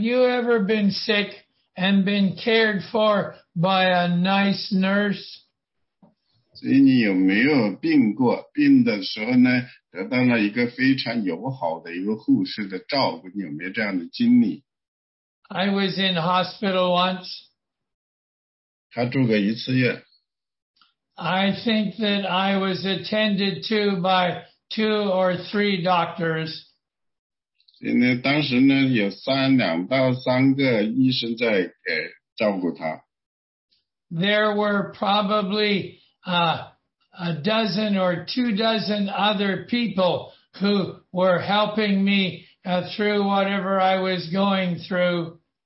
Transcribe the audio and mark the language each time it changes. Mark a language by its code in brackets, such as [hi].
[en] you ever been sick and been cared for by a nice nurse? [zh] 所以你有没有病过，病的时候呢，得到了一个非常友好的一个护士的照顾，你有没有这样的经历？ [en] I was in hospital once. [zh] 他住过一次院。 [en] I think that I was attended to by two or three doctors. [zh] 当时呢，有两到三个医生在照顾他。 [en] There were probably a dozen or two dozen other people who were helping me through whatever I was going through.